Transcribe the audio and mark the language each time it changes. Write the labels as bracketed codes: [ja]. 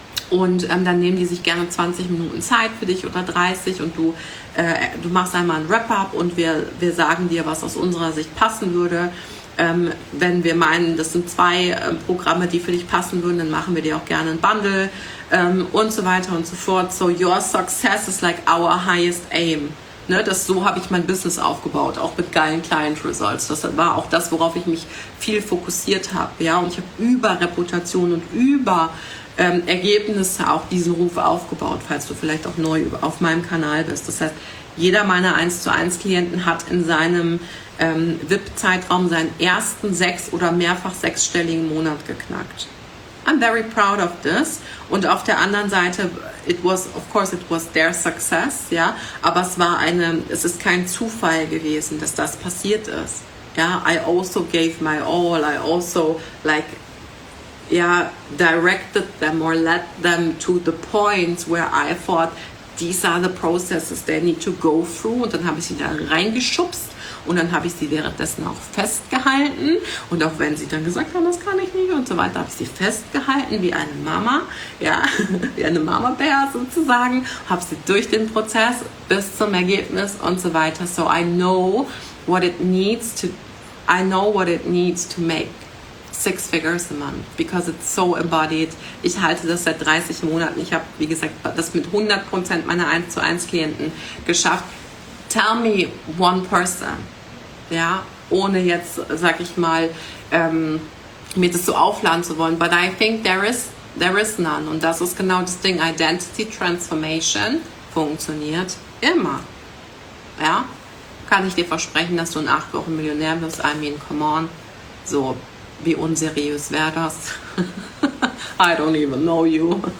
[de] Und dann nehmen die sich gerne 20 Minuten Zeit für dich oder 30 und du machst einmal ein Wrap-up und wir sagen dir, was aus unserer Sicht passen würde. Wenn wir meinen, das sind zwei Programme, die für dich passen würden, dann machen wir dir auch gerne ein Bundle und so weiter und so fort. [en] So your success is like our highest aim. [de] Ne, das, so habe ich mein Business aufgebaut, auch mit geilen Client Results. Das war auch das, worauf ich mich viel fokussiert habe. Ja? Und ich habe über Reputation und über Ergebnisse auch diesen Ruf aufgebaut, falls du vielleicht auch neu auf meinem Kanal bist. Das heißt, jeder meiner 1:1 Klienten hat in seinem VIP-Zeitraum seinen ersten 6- oder mehrfach 6-stelligen Monat geknackt. [en] I'm very proud of this. [de] Und auf der anderen Seite, [en] it was their success, [de] ja, aber es ist kein Zufall gewesen, dass das passiert ist. [en] Ja, I also gave my all, I also like, ja, directed them or led them to the points where I thought these are the processes they need to go through. [de] Und dann habe ich sie da reingeschubst und dann habe ich sie währenddessen auch festgehalten. Und auch wenn sie dann gesagt haben, das kann ich nicht und so weiter, habe ich sie festgehalten wie eine Mama, ja, wie eine Mama-Bär sozusagen, habe sie durch den Prozess bis zum Ergebnis und so weiter. [en] So I know what it needs to make 6 figures a month, because it's so embodied. [de] Ich halte das seit 30 Monaten. Ich habe, wie gesagt, das mit 100% meiner 1:1 Klienten geschafft. [en] Tell me one person, [de] ja, ohne jetzt, sag ich mal, mir das so aufladen zu wollen. [en] But I think there is none. [de] Und das ist genau das Ding. Identity Transformation funktioniert immer. Ja, kann ich dir versprechen, dass du in 8 Wochen Millionär wirst. [en] I mean, come on. So. [de] Wie unseriös wäre das? [en] I don't even know you.